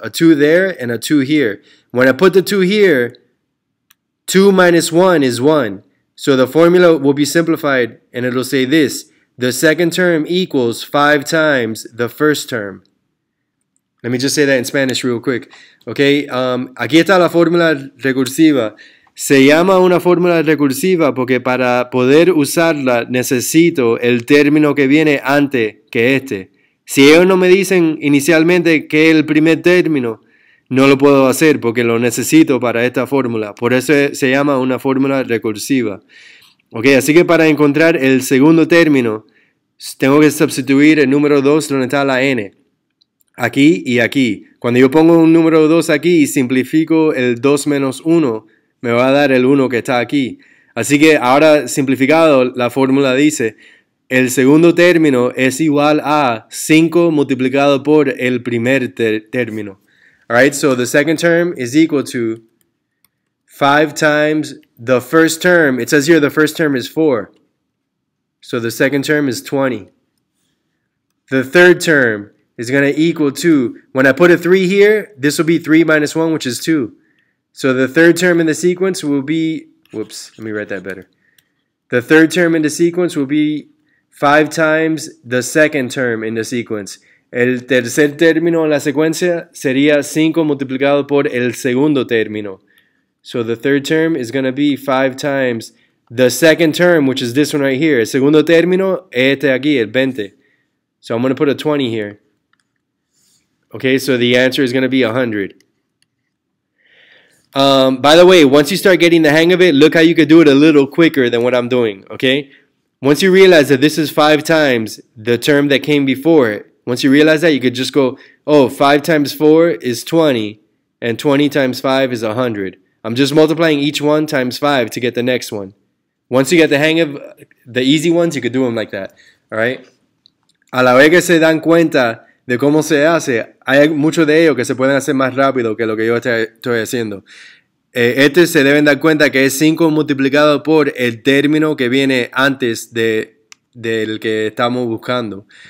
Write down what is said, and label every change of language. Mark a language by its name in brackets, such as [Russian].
[English] A 2 there and a 2 here. When I put the 2 here, 2 minus 1 is 1. So the formula will be simplified and it'll say this. The second term equals 5 times the first term. Let me just say that in Spanish real quick. [Spanish] Okay, aquí está la fórmula recursiva. Se llama una fórmula recursiva porque para poder usarla necesito el término que viene antes que este. Si ellos no me dicen inicialmente que es el primer término, no lo puedo hacer porque lo necesito para esta fórmula. Por eso se llama una fórmula recursiva. Ok, así que para encontrar el segundo término, tengo que sustituir el número 2 donde está la N. Aquí y aquí. Cuando yo pongo un número 2 aquí y simplifico el 2 menos 1, me va a dar el 1 que está aquí. Así que ahora simplificado, la fórmula dice, el segundo término es igual a 5 multiplicado por el primer término. [English] Alright, so the second term is equal to 5 times the first term. It says here the first term is 4. So the second term is 20. The third term is going to equal to, when I put a 3 here, this will be 3 minus 1, which is 2. So the third term in the sequence will be, whoops, let me write that better. The third term in the sequence will be 5 times the second term in the sequence. [Spanish] El tercer término en la secuencia sería 5 multiplicado por el segundo término. [English] So the third term is going to be 5 times the second term, which is this one right here. [Spanish] El segundo término, este aquí, el 20. [English] So I'm going to put a 20 here. Okay, so the answer is going to be 100. By the way, once you start getting the hang of it, look how you could do it a little quicker than what I'm doing, okay? Once you realize that this is 5 times the term that came before it, once you realize that, you could just go, oh, 5 times 4 is 20, and 20 times 5 is 100. I'm just multiplying each one times 5 to get the next one. Once you get the hang of the easy ones, you could do them like that, all right? [Spanish] A la vez que se dan cuenta de cómo se hace, hay muchos de ellos que se pueden hacer más rápido que lo que yo estoy haciendo. Este se deben dar cuenta que es 5 multiplicado por el término que viene antes del que estamos buscando.